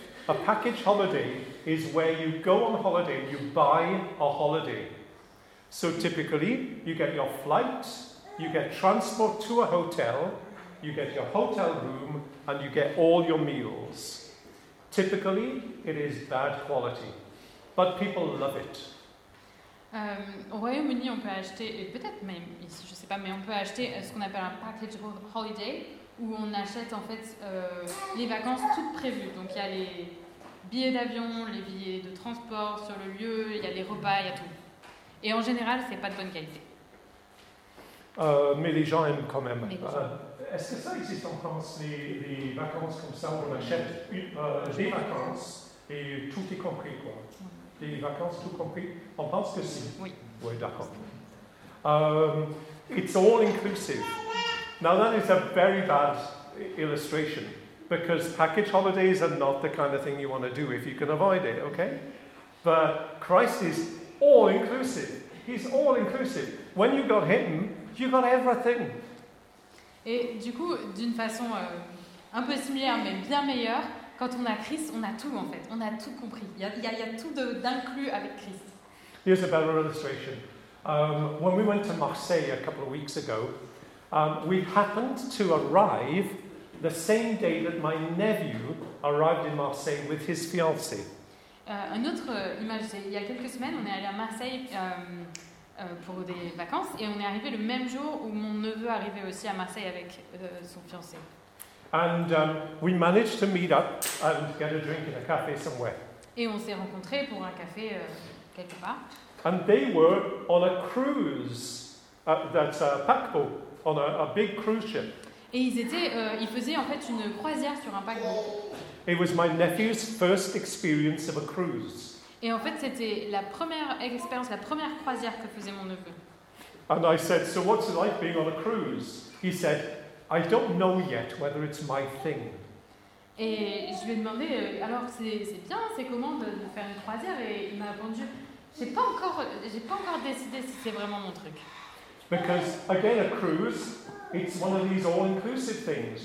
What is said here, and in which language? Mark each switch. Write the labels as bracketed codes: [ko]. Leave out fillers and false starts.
[en] A package holiday is where you go on holiday and you buy a holiday. So typically, you get your flight, you get transport to a hotel, you get your hotel room, and you get all your meals. Typically, it is bad quality. But people love it. [fr] Au Royaume-Uni, on peut acheter, et peut-être même ici, je ne sais pas, mais on peut acheter ce qu'on appelle un package holiday, où on achète en fait les vacances toutes prévues. Donc il y a les billets d'avion, les billets de transport sur le lieu, il y a les repas, il y a tout. Et en général, ce n'est pas de bonne qualité. Mais les gens aiment quand même. Est-ce que ça existe en France, les vacances comme ça, où on achète des vacances et tout est compris, quoi? Des vacances tout compris? On pense que si. Oui. Oui, d'accord. [en] It's all inclusive. Now that is a very bad illustration, because package holidays are not the kind of thing you want to do if you can avoid it, okay? But Christ is all inclusive. He's all inclusive. When you got him, you got everything. [fr] Et du coup, d'une façon un peu similaire, mais bien meilleure, quand on a Christ, on a tout en fait. On a tout compris. Il y a tout d'inclus avec Christ. [en] Here's a better illustration. When we went to Marseille a couple of weeks ago, we happened to arrive the same day that my nephew arrived in Marseille with his fiancée. [fr] Une autre image, c'est il y a quelques semaines, on est allé à Marseille pour des vacances et on est arrivé le même jour où mon neveu arrivait aussi à Marseille avec son fiancé. [en] And we managed to meet up and get a drink in a café somewhere. [fr] Et on s'est rencontrés pour un café quelque part. [en] And they were on a cruise, that's a paquebot, on a big cruise ship. [fr] Et ils faisaient en fait une croisière sur un paquebot. [en] It was my nephew's first experience of a cruise. [fr] Et en fait, c'était la première expérience, la première croisière que faisait mon neveu. [en] And I said, so what's it like being on a cruise? He said, I don't know yet whether it's my thing. [fr] Et je lui ai demandé, alors c'est bien, c'est comment de faire une croisière? Et il m'a répondu, j'ai pas encore décidé si c'est vraiment mon truc. [en] Because again, a cruise, it's one of these all-inclusive things.